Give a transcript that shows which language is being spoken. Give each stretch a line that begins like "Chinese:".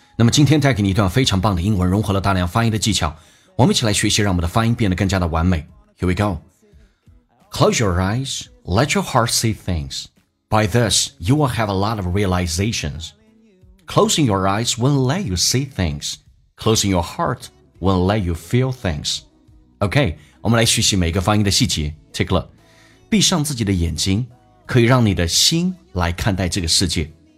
Chinese: 那么今天带给你一段非常棒的英文，融合了大量发音的技巧，我们一起来学习，让我们的发音变得更加的完美。
English: Here we go. Close your eyes, let your heart see things. By this, you will have a lot of realizations. Closing your eyes won't let you see things. Closing your heart won't let you feel things.
Chinese: OK, 我们来学习每个发音的细节。
English: Take a look.
Chinese: 闭上自己的眼睛可以让你的心来看待这个世界。